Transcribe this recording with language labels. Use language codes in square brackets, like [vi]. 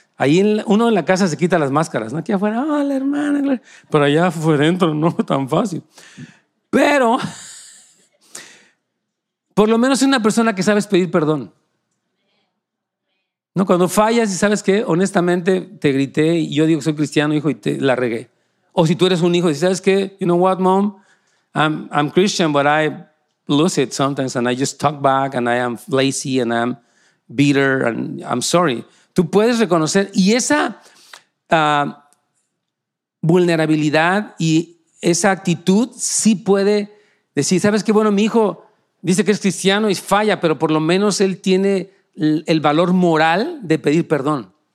[es] Ahí uno en la casa se quita las máscaras, ¿no? Aquí afuera, ah, oh, la hermana, la... pero allá afuera dentro no es tan fácil. Pero por lo menos es una persona que sabes pedir perdón. No, cuando fallas y sabes que honestamente te grité y yo digo que soy cristiano, hijo, y te la regué. O si tú eres un hijo y sabes que, [en] you know what, mom, I'm Christian, but I lose it sometimes and I just talk back and I am lazy and I'm bitter and I'm sorry. [es] Tú puedes reconocer y esa vulnerabilidad y esa actitud sí puede decir, sabes que, bueno, mi hijo dice que es cristiano y falla, pero por lo menos él tiene el valor moral de pedir perdón.